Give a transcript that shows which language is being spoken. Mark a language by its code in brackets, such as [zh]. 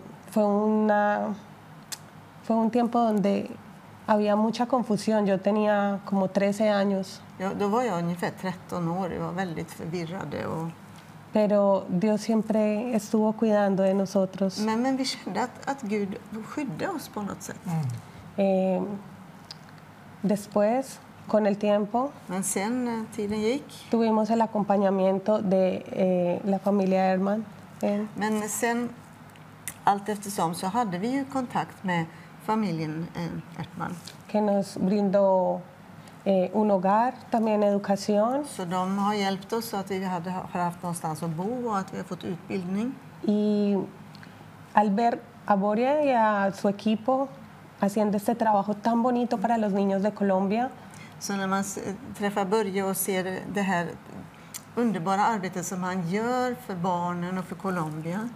[es] Fue un tiempo donde había mucha confusión. Yo tenía como 13 años. [sv] Ja, då var jag ungefär 13 år. Jag var väldigt förvirrad och [es] Pero Dios siempre estuvo cuidando de nosotros. [sv] Men vi kände att Gud skyddade oss på något sätt. Mm. [es] Después, con el tiempo, [sv] men sen tiden gick, [es] tuvimos el acompañamiento de la familia Erdtman. [sv] Men sen allt eftersom så hade vi ju kontakt med familjen Erdtman. [es] Que nos brindó un hogar, también educación. [sv] Så de har hjälpt oss så att vi har haft någonstans att bo och att vi har fått utbildning. [es] Y al ver a Börje y a su equipo haciendo este trabajo tan bonito para los niños de Colombia. [sv] Så när man träffar Börje och ser det här underbara arbetet som han gör för barnen och för Colombia.